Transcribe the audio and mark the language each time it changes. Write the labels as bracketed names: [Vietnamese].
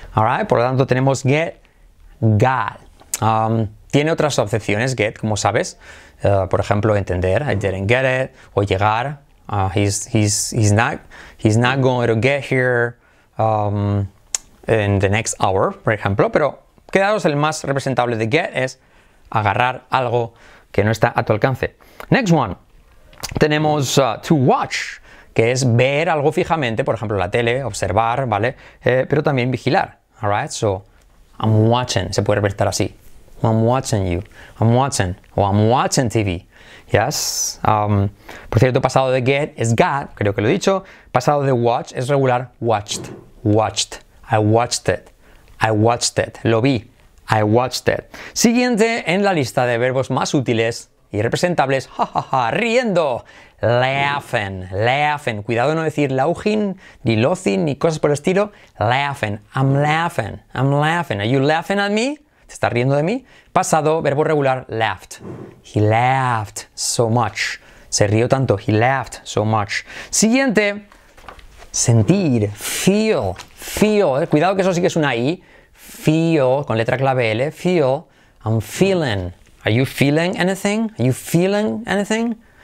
[Spanish] Alright, por lo tanto tenemos get, got. Tiene otras acepciones get, como sabes. Por ejemplo, entender, [English] I didn't get it, [Spanish] o llegar. [English] He's not going to get here in the next hour, [Spanish] por ejemplo. Pero quedaos, el más representable de get es agarrar algo que no está a tu alcance. Next one. Tenemos to watch, que es ver algo fijamente, por ejemplo la tele, observar, ¿vale? Pero también vigilar. [English] All right, so I'm watching. [Spanish] Se puede representar así. [English] I'm watching you. I'm watching. O I'm watching TV. Yes. [Spanish] Por cierto, pasado de get es got, creo que lo he dicho. Pasado de watch es regular, watched. [English] Watched. I watched it. I watched it. [Spanish] Lo vi. [English] I watched it. [Spanish] Siguiente en la lista de verbos más útiles y representables. [English] Ja, ja, ja. Riendo. Laughing. Laughing. [Spanish] Cuidado de no decir laughing, ni lozing, ni cosas por el estilo. [English] Laughing. I'm laughing. I'm laughing. Are you laughing at me? [Spanish] ¿Te estás riendo de mí? Pasado, verbo regular, laughed. [English] He laughed so much. [Spanish] Se rió tanto. [English] He laughed so much. [Spanish] Siguiente. Sentir. [English] Feel. Feel. [Spanish] Cuidado que eso sí que es una I. [English] Feel, con letra clave L. Feel. I'm feeling. Are you feeling anything? Are you feeling anything?